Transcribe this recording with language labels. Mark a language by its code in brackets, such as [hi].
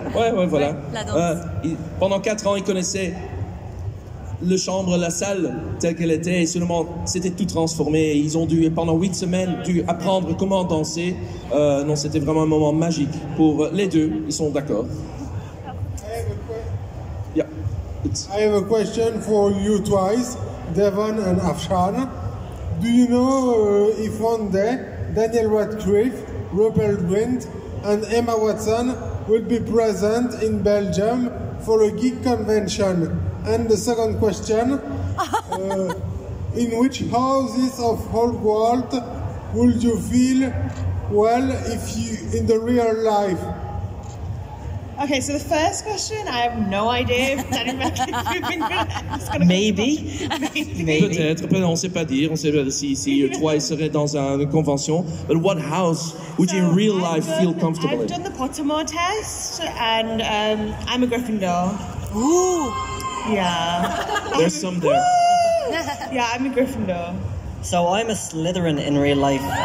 [fr] Ouais, ouais, voilà. Ouais, la danse. Pendant 4 ans, il connaissait le chambre, la salle telle qu'elle était, et seulement c'était tout transformé. Ils ont dû, pendant 8 semaines, dû apprendre comment danser. Non, c'était vraiment un moment magique pour les deux. Ils sont d'accord. [en] I have a question for you twice, Devon and Afshan. Do you know if one day Daniel Radcliffe, Rupert Grint, and Emma Watson will be present in Belgium for a geek convention? And the second question, in which houses of Hogwarts would you feel well if you in the real life? Okay, so the first question, I have no idea if Maybe. [fr] Peut-être, on ne sait pas dire, on ne sait pas si, si toi il serait dans une convention. [en] But what house would you in real life feel comfortable I've in? I've done the Pottermore test and I'm a Gryffindor. Ooh! Yeah. There's some there. Yeah, I'm a Gryffindor. So I'm a Slytherin in real life.